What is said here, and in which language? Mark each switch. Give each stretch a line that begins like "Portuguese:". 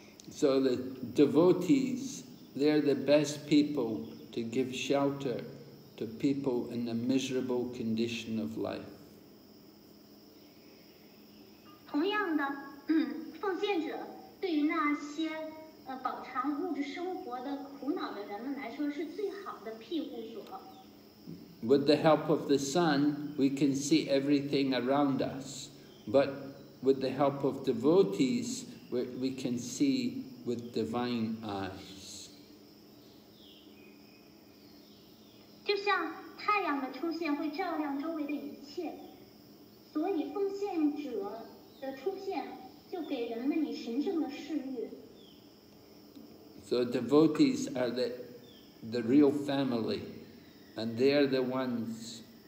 English: So the devotees, they're the best people to give shelter to people in a miserable condition of life.
Chinese: 同样的，奉献者对于那些饱尝物质生活的苦恼的人们来说是最好的庇护所。
English: With the help of the sun, we can see everything around us, but with the help of devotees, we can see with divine eyes.
Chinese: 就像太阳的出现会照亮周围的一切，所以奉献者的出现就给人们以神圣的视域。
English: So devotees are the real family, and they are the ones.